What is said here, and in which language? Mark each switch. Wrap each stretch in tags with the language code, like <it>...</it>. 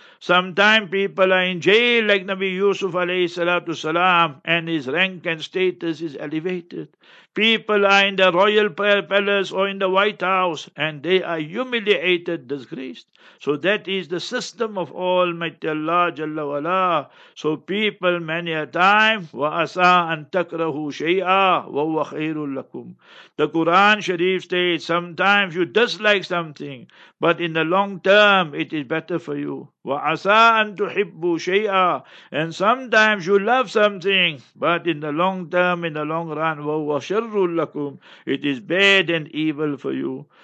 <en>Sometimes people are in jail, like Nabi Yusuf alayhi salatu salam, and his rank and status is elevated. People are in the royal palace or in the White House, and they are humiliated, disgraced. So that is the system of Almighty Allah Jalla wala. So people many a time,</en> <ar>وَأَسَىٰ أَن تَكْرَهُ شَيْئًا وَهُوَ خَيْرٌ لَكُمْ.</ar> <en>The Quran Sharif states, sometimes you dislike something, but in the long term, it is better for you.</en> <ar>وَعَسَىٰ أَن تُحِبُّ شَيْئًا.</ar> <en>And sometimes you love something, but in the long term, in the long run,</en> <ar>وَهُوَ شَرُّ لَكُمْ.</ar> <en>It is bad and evil for you.</en>